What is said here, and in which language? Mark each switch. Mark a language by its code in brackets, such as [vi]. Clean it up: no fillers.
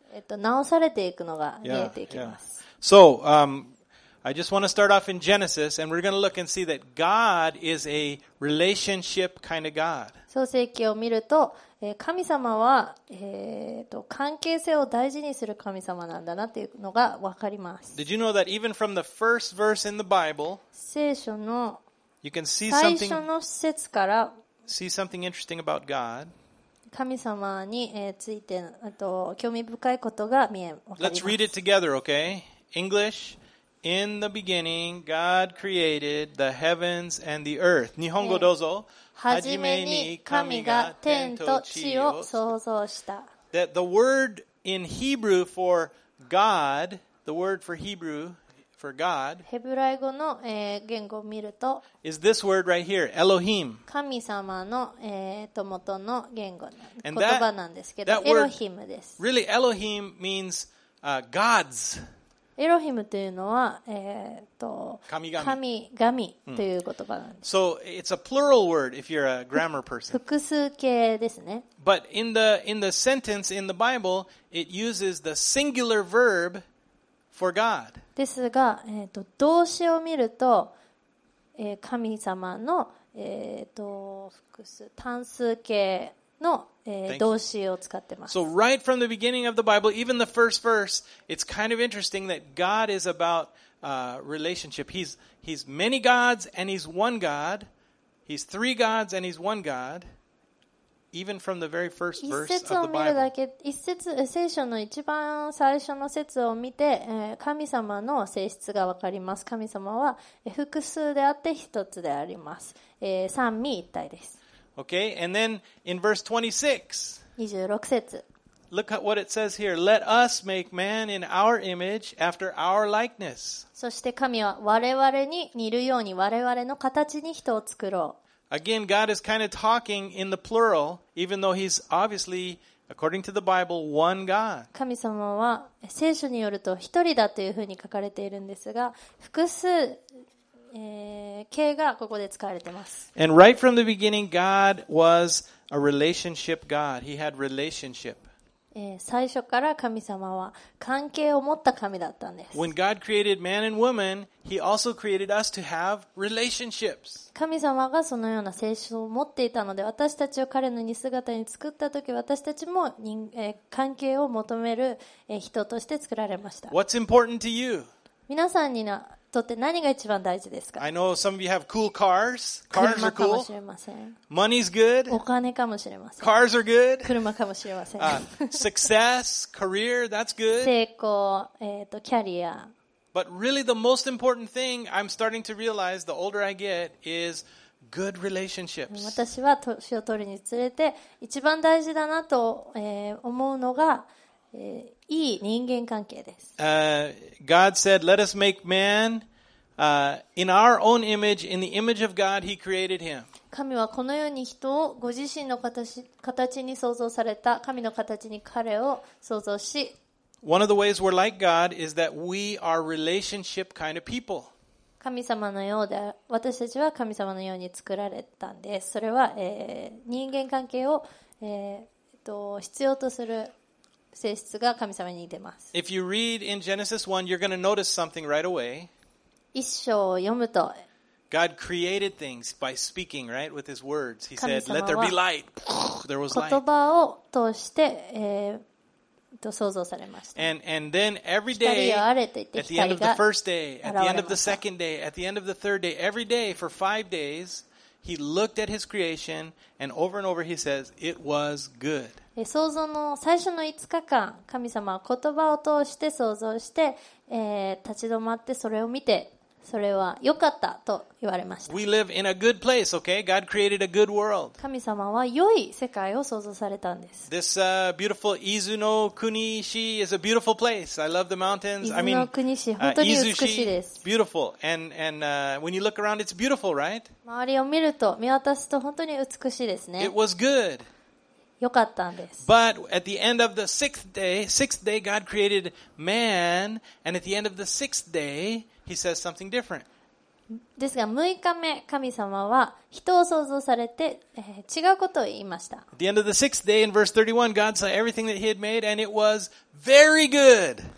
[ja] 直されていくのが見えていきます。 [en] So, I just want to start off in Genesis, and we're going to look and see that God is a relationship kind of God. [ja] 創世記を見ると、神様は、関係性を大事にする神様なんだなというのが分かります。 [en] Did you know that even from the first verse in the Bible, [ja] 聖書の最初の節から、 [en] see something interesting about God. [ja] 神様についてあと興味深いことが見えます。 [en] Let's read it together, okay? English. In the beginning, God created the heavens and the earth. [ja] 日本語どうぞ。はじめに神が天と地を創造した。 [en] That the word in Hebrew for God, the word for Hebrew for God, [ja] ヘブライ語の、言語を見ると、 [en] is this word right here, Elohim. [ja] 神様の、元の言語の言葉なんですけど、エロヒムです。 [en] Really, Elohim means, God's. [ja] エロヒムというのは、神々という言葉なんです。 Mm. [en] So it's a plural word if you're a grammar person. [ja] 複数形ですね。 [en] But in the sentence in the Bible, it uses the singular verb for God. [ja] ですが、動詞を見ると、神様の、複数単数形の動詞を使ってます。 [en] So right from the beginning of the Bible, even the first verse, it's kind of interesting that God is about relationship. He's many gods and he's one God. He's three gods and he's one God, even from the very first verse of the Bible. [ja] 一節を見るだけ、一節、聖書の一番最初の節を見て、神様の性質がわかります。神様は複数であって一つであります。三位一体です。 [en] Okay, and then in verse 26. [ja] 26節。 [en] Look at what it says here. Let us make man in our image after our likeness. [ja] そして神は我々に似るように我々の形に人を作ろう。 [en] Again, God is kind of talking in the plural, even though he's obviously, according to the Bible, one God. [ja] 神様は聖書によると一人だというふうに書かれているんですが、複数、形がここで使われています。 [en] And right from the beginning, God was a relationship God. He had relationship. [ja] 最初から神様は関係を持った神だったんです。 [en] When God created man and woman, He also created us to have relationships. [ja] 神様がそのような性質を持っていたので、私たちを彼の似姿に作ったとき、私たちも関係を求める人として作られました。 [en] What's important to you? [ja] 皆さんにとって何が一番大事ですか [en] ？I know some of you have cool cars. Cars are cool. [ja] 車かもしれません。 [en] Money's good. [ja] お金かもしれません。 [en] Cars are good. [ja] 車かもしれません。 [en] Success, career, that's good. [ja] 成功、キャリア。 [en] But really, the most important thing I'm starting to realize the older I get is good relationships. [ja] 私は年を取るにつれて一番大事だなと、思うのが。いい人間関係です。 [en] God said, "Let us make man, in our own image, in the image of God, He created him." [ja] 神はこのように人をご自身の形に創造された神の形に彼を創造し。 [en] One of the ways we're like God is that we are relationship kind of people. [ja] 神様のようで私たちは神様のように作られたんです。それは、人間関係を、必要とする。性質が神様に出ます。 [en] If you read in Genesis 1, you're going to notice something right away. [ja] 一章を読むと、 [en] God created things by speaking, right, with His words. He said, "Let there be light." There was light. [ja] 言葉を通して、創造されました。 [en] And then every day, at the end of the first day, at the end of the second day, at the end of the third day, every day for five days, He looked at His creation, and over He says, "It was good." [ja] 創造の最初の5日間、神様は言葉を通して創造して、立ち止まってそれを見て、それは良かったと言われました。 [en] We live in a good place, okay? God created a good world. [ja] 神様は良い世界を創造されたんです。 [en] This beautiful Izu no Kunishi is a beautiful place. I love the mountains. I mean, [ja] 伊豆の国市本当に美しいです。 [en] Beautiful. And when you look around, it's beautiful, right? [ja] 周りを見ると、見渡すと本当に美しいですね。 [en] It was good. [ja] 良かったんです。 [en] But at the end of the sixth day, God created man, and at the end of the sixth day, He says something different. [ja] ですが、6日目、神様は人を創造されて、違うことを言いました。 [en] At the end of the sixth day, in verse 31, God saw everything that He had made, and it was very good.